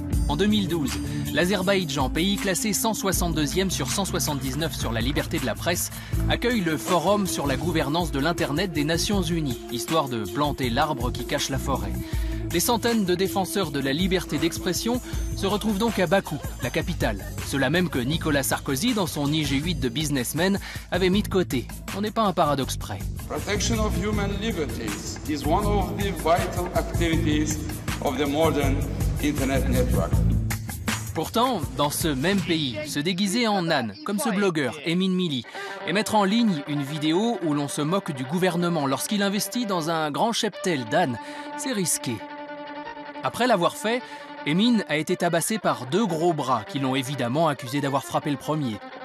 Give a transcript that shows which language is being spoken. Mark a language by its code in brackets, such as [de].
[fr] En 2012, l'Azerbaïdjan, pays classé 162e sur 179 sur la liberté de la presse, accueille le Forum sur la gouvernance de l'Internet des Nations Unies, histoire de planter l'arbre qui cache la forêt. Des centaines de défenseurs de la liberté d'expression se retrouvent donc à Bakou, la capitale. Cela même que Nicolas Sarkozy, dans son IG8 de businessman, avait mis de côté. On n'est pas un paradoxe près. [en] Protection of human liberties is one of the vital activities of the modern internet network. [fr] Pourtant, dans ce même pays, se déguiser en âne, comme ce blogueur, Emin Mili, et mettre en ligne une vidéo où l'on se moque du gouvernement lorsqu'il investit dans un grand cheptel d'âne, c'est risqué. Après l'avoir fait, Emin a été tabassé par deux gros bras qui l'ont évidemment accusé d'avoir frappé le premier.